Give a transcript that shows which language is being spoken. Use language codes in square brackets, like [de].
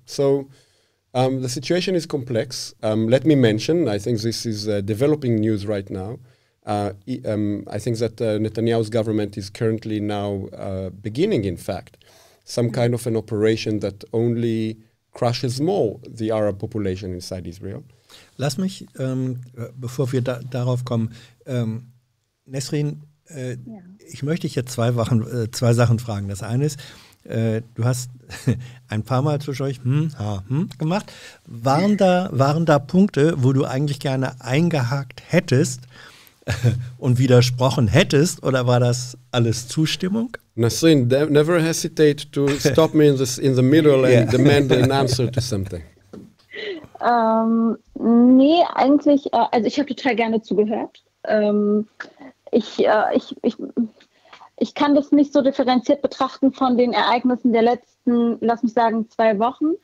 [en] So the situation is complex. Let me mention, I think this is developing news right now. I think that Netanyahu's government is currently now beginning, in fact, some kind of an operation that only crushes more the Arab population inside Israel. [de] Lass mich, bevor wir darauf kommen, Nesrin, ich möchte dich jetzt zwei Sachen fragen. Das eine ist, du hast ein paar Mal zwischen euch gemacht. Waren da Punkte, wo du eigentlich gerne eingehakt hättest, und widersprochen hättest, oder war das alles Zustimmung? [en] Nassim, never hesitate to stop me in the middle and yeah. demand an answer to something. [de] Nee, eigentlich, also ich habe total gerne zugehört. Ich kann das nicht so differenziert betrachten von den Ereignissen der letzten, lass mich sagen, 2 Wochen.